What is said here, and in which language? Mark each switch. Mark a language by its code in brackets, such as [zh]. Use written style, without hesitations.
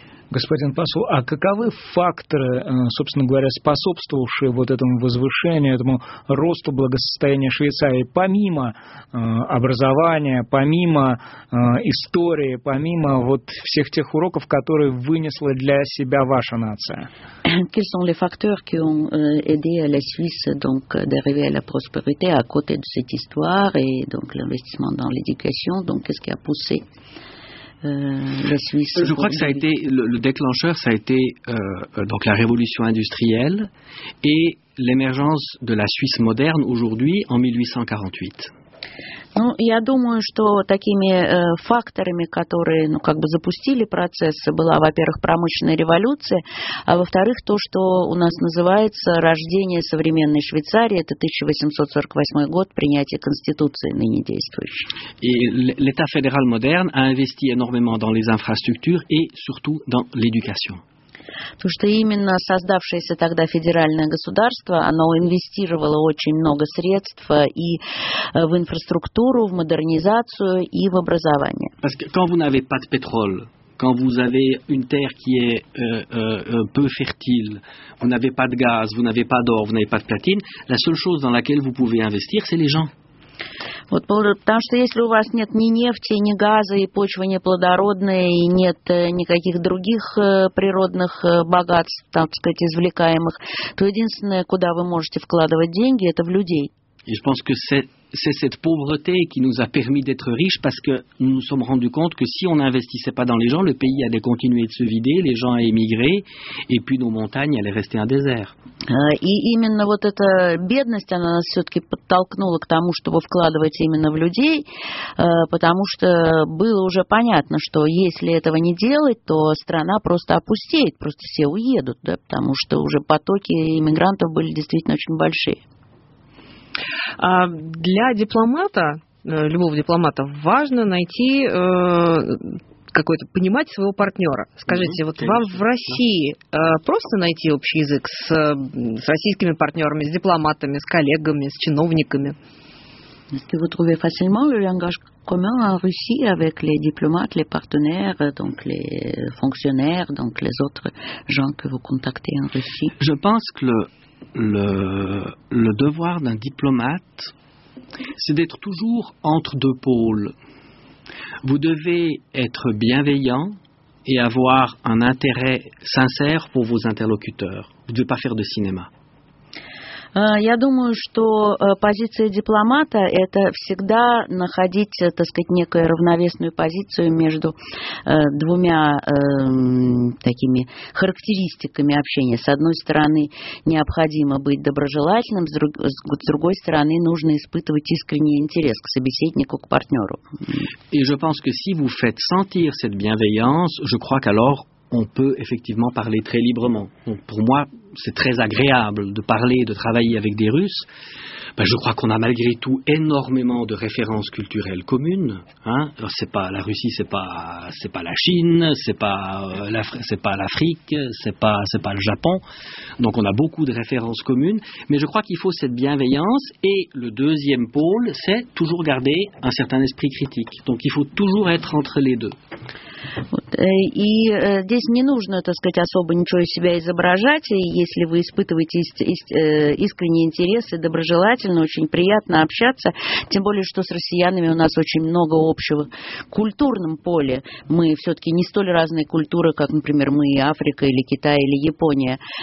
[ru] Господин посол, а каковы факторы, собственно говоря, способствовавшие вот этому возвышению, этому росту благосостояния Швейцарии, помимо образования, помимо истории, помимо вот всех тех уроков, которые вынесла для себя ваша нация? [fr] Quels sont les facteurs qui ont aidé la Suisse donc d'arriver à la prospérité à côté de cette histoire et donc l'investissement dans l'éducation, donc qu'est-ce qui a poussé? la Suisse. Je crois que ça a été le déclencheur, ça a été donc la révolution industrielle et l'émergence de la Suisse moderne aujourd'hui en 1848. [ru] Ну, я думаю, что такими факторами, которые, ну, как бы запустили процесс, была, во-первых, промышленная революция, а во-вторых, то, что у нас называется рождение современной Швейцарии, это 1848 год, принятие Конституции ныне действующей. И [fr] l'État fédéral moderne a investi énormément dans les infrastructures et surtout dans l'éducation. [ru] Потому что именно создавшееся тогда федеральное государство, оно инвестировало очень много средств и в инфраструктуру, в модернизацию и в образование. [fr] Parce que quand vous n'avez pas de pétrole, quand vous avez une terre qui est peu fertile, vous n'avez pas de gaz, vous n'avez pas d'or, vous n'avez pas de platine, la seule chose dans laquelle vous pouvez investir, c'est les gens. [ru] Вот, потому что если у вас нет ни нефти, ни газа, и почва неплодородная, и нет никаких других природных богатств, так сказать, извлекаемых, то единственное, куда вы можете вкладывать деньги, это в людей. И [fr] je pense que c'est cette pauvreté qui nous a permis d'être riches, parce que nous nous sommes rendus compte que si on n'investissait pas dans les gens, le pays allait continuer de se vider, les gens allaient émigrer, et puis nos montagnes allaient rester un désert. [ru] И именно вот эта бедность, она нас все-таки подтолкнула к тому, чтобы вкладывать именно в людей, потому что было уже понятно, что если этого не делать, то страна просто опустеет, просто все уедут, да, потому что уже потоки иммигрантов были действительно очень большие. А для дипломата, любого дипломата, важно найти какой-то, понимать своего партнера. Скажите, mm-hmm, вот конечно, вам в России просто найти общий язык с российскими партнерами, с дипломатами, с коллегами, с чиновниками? [fr] Est-ce que vous trouvez facilement le langage commun en Russie avec les diplomates, les partenaires, donc les fonctionnaires, donc les autres gens que vous contactez en Russie? Je pense que le devoir d'un diplomate, c'est d'être toujours entre deux pôles. Vous devez être bienveillant et avoir un intérêt sincère pour vos interlocuteurs. Vous ne devez pas faire de cinéma. [ru] Я думаю, что позиция дипломата – это всегда находить, так сказать, некую равновесную позицию между двумя такими характеристиками общения. С одной стороны, необходимо быть доброжелательным, с другой стороны, нужно испытывать искренний интерес к собеседнику, к партнеру. И [fr] je pense que si vous faites sentir cette bienveillance, je crois qu'alors on peut effectivement parler très librement. Donc pour moi, c'est très agréable de parler, de travailler avec des Russes. Ben, je crois qu'on a malgré tout énormément de références culturelles communes. Hein. Alors, c'est pas la Russie, c'est pas la Chine, c'est pas l'Afrique, c'est pas le Japon. Donc on a beaucoup de références communes. Mais je crois qu'il faut cette bienveillance. Et le deuxième pôle, c'est toujours garder un certain esprit critique. Donc il faut toujours être entre les deux. [ru] Вот, и здесь не нужно, так сказать, особо ничего из себя изображать. Если вы испытываете искренний интерес и доброжелательно, очень приятно общаться. Тем более, что с россиянами у нас очень много общего в культурном поле. Мы все-таки не столь разные культуры, как, например, мы и Африка, или Китай, или Япония.